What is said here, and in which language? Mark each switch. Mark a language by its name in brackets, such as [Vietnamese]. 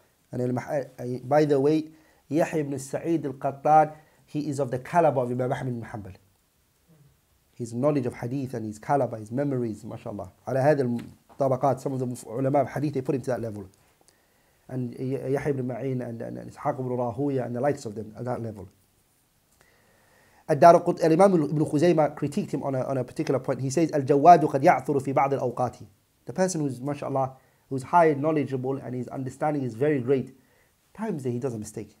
[English] And by the way, Yahya ibn Sa'id al-Qattan, he is of the caliber of Imam Ahmad ibn Hanbal. His knowledge of hadith and his caliber, his memories, mashallah. [Arabic] Ala hadha al-tabaqat, [English] some of the ulama of hadith, they put him to that level. And Yahya ibn Ma'in and Ishaq ibn Rahuya and the likes of them at that level. الإمام ابن خزيمة critiqued him on a particular point. He says [Arabic] الجواد قد يعثر في بعض الأوقات. [English] The person who's mashallah, who's high knowledgeable and his understanding is very great, times that he does a mistake.